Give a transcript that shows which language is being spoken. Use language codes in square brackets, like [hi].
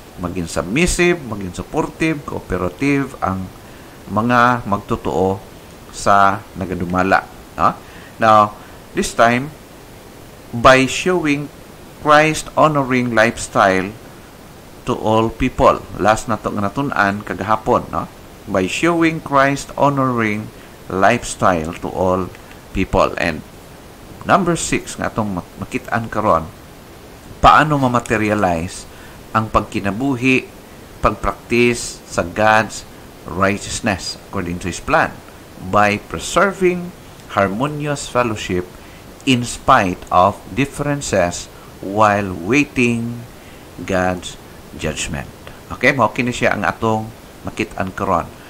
[ceb] Maging submissive, maging supportive, cooperative ang mga magtutuo sa nagadumala. No? [en] Now, this time, by showing Christ-honoring lifestyle to all people. [ceb] Last na ito ng natun-an kagahapon. No? [en] By showing Christ-honoring lifestyle to all people. And number 6 [ceb] nga itong makitaan karon, paano mamaterialize ang pagkinabuhi, pagpraktis sa [en] God's righteousness according to His plan. by preserving harmonious fellowship in spite of differences while waiting God's judgment. [ceb] Okay, mao kini siya ang atong makit-an karon.